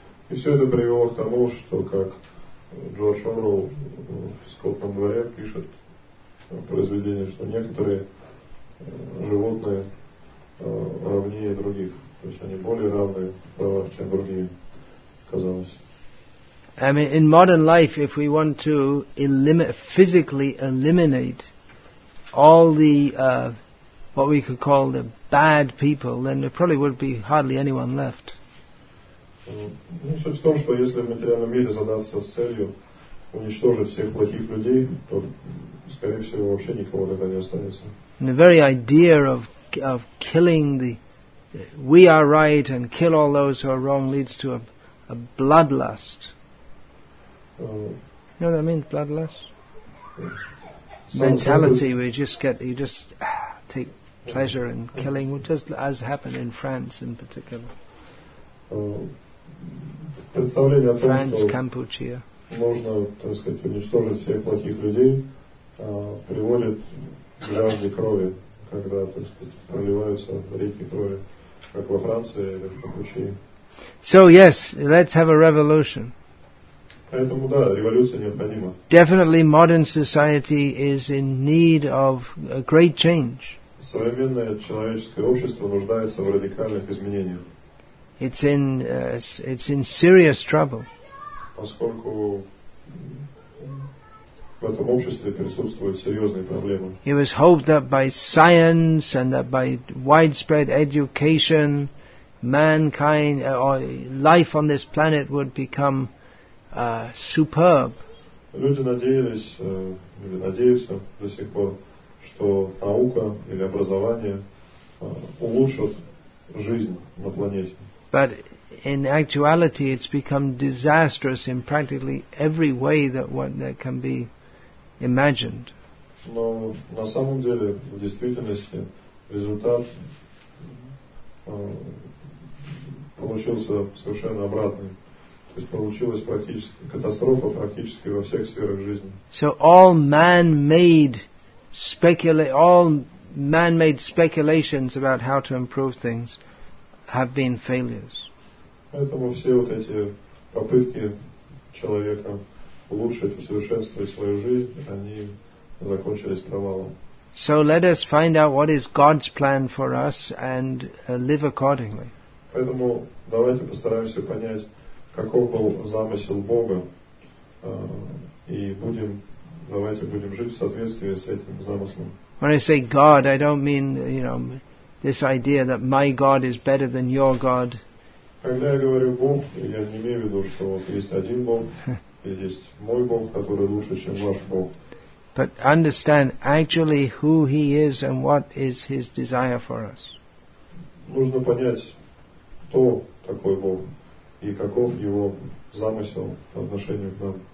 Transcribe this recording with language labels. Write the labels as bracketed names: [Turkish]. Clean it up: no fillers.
[Russian] И все это привело к тому, что как Джордж Орвелл в «Скотном дворе» пишет произведение, что некоторые животные равнее других, то есть они более равны правах, чем другие, казалось. [English] I mean, in modern life, if we want to physically eliminate all the what we could call the bad people, then there probably would be hardly anyone left. [Russian] Ну, суть в том, что если в материальном мире задаться с целью уничтожить всех плохих людей, то, скорее всего, вообще никого тогда не останется. [English] And the very idea of killing the we are right and kill all those who are wrong leads to a bloodlust. You know what I mean? Bloodlust mentality, where you just take pleasure in killing, which just as happened in France in particular. [Russian] Представление о том, [English] France, [Russian] что Кампучия. Можно, так сказать, уничтожить всех плохих людей, приводит к жажде крови, когда, так сказать, проливаются реки крови, как во Франции или в Кампучии. [English] So yes, let's have a revolution. [Russian] Поэтому, да, революция необходима. [English] Definitely modern society is in need of a great change. [Russian] Современное человеческое общество нуждается в радикальных изменениях. [English] It's in serious trouble. [Russian] Поскольку в этом обществе присутствуют серьезные проблемы. [English] It was hoped that by science and that by widespread education, mankind or life on this planet would become superb. [Russian] Люди надеялись или надеются до сих пор, что наука или образование улучшат жизнь на планете. [English] But in actuality, it's become disastrous in practically every way that can be imagined. [Russian] Но на самом деле, в действительности, результат получился совершенно обратный. То есть получилась практически катастрофа практически во всех сферах жизни. [English] So all man-made speculations about how to improve things have been failures. [Russian] Поэтому все вот эти попытки человека улучшить, усовершенствовать свою жизнь, они закончились провалом. [English] So let us find out what is God's plan for us and live accordingly. [Russian] Поэтому давайте постараемся понять, каков был замысел Бога, и давайте будем жить в соответствии с этим замыслом. [English] When I say God, I don't mean, you know, this idea that my God is better than your God. [Russian] Когда я говорю Бог, я не имею в виду, что вот есть один Бог, и есть мой Бог, который лучше, чем ваш Бог. [English] But understand actually who he is and what is his desire for us. [Russian] Нужно понять, кто такой Бог. И каков его замысел по отношению к нам.